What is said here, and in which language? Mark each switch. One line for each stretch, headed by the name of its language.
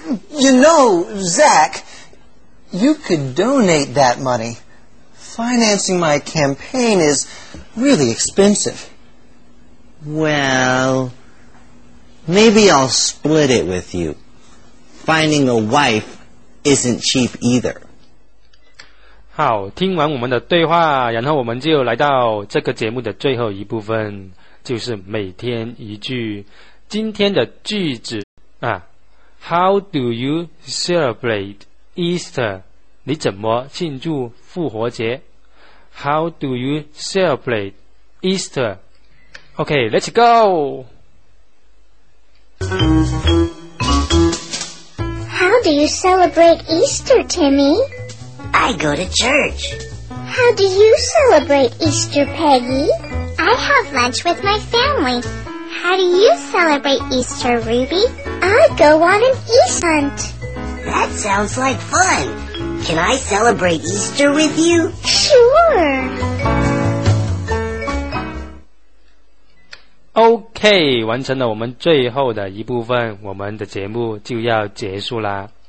English: You know, Zach, you could donate that money. Financing my campaign is really expensive. Well, maybe I'll split it with you. Finding a wife isn't cheap either.
Chinese: 好，听完我们的对话，然后我们就来到这个节目的最后一部分。就是每天一句，今天的句子啊 ，
English: How do you celebrate Easter？
Chinese: 你怎么庆祝复活节
English: ？How do you celebrate Easter？OK，Let's go。 How do you celebrate Easter, Timmy? I go to church. How do you celebrate Easter, Peggy? I have lunch with my family. How do you celebrate Easter, Ruby? I go on an Easter hunt. That sounds like fun. Can I celebrate Easter with you? Sure.
Chinese: OK, 完成了我们最后的一部分，我们的节目就要结束啦。